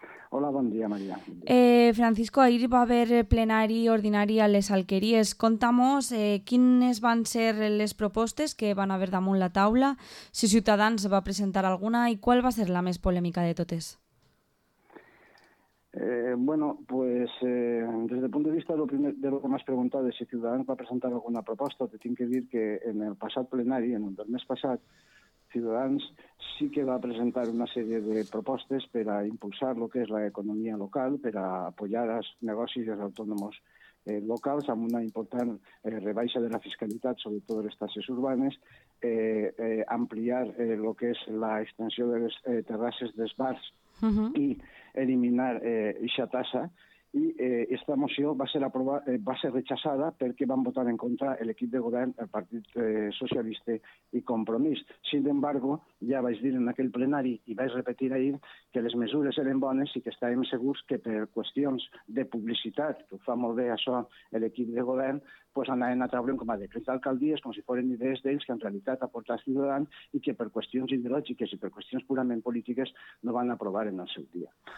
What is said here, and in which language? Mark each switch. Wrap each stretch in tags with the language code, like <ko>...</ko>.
<ca>Hola, bon dia, Maria. Francisco, ahir va haver plenari ordinari a les Alqueries. Contamos quines van ser les propostes que van haver damunt la taula, si Ciutadans va presentar alguna i qual va ser la més polèmica de totes.</ca> <es>Desde el punto de vista de lo que me has preguntado, de si Ciudadanos va a presentar alguna propuesta, te tengo que decir que en el pasado plenario, en el mes pasado, Ciudadanos sí que va a presentar una serie de propuestas para impulsar lo que es la economía local, para apoyar a los negocios y a los autónomos locales,</es> <ca>amb una important rebaixa de la fiscalitat, sobretot de les taxes urbanes, ampliar el que és la extensió de les terrasses dels bars i eliminar eixa tassa. I aquesta moció va ser rechaçada perquè van votar en contra l'equip de govern, el Partit Socialista i Compromís.</ca> <es>Sin embargo,</es> <ca>ja vaig dir en aquell plenari i vaig repetir ahir que les mesures eren bones i que estàvem segurs que per qüestions de publicitat, que ho fa molt bé això l'equip de govern,</ca> <es>pues</es> <ca>anaven a treure com a decret d'alcaldies, com si foren idees d'ells que en realitat aporta el Ciutadans i que per qüestions ideològiques i per qüestions purament polítiques no van aprovar en el seu dia.</ca>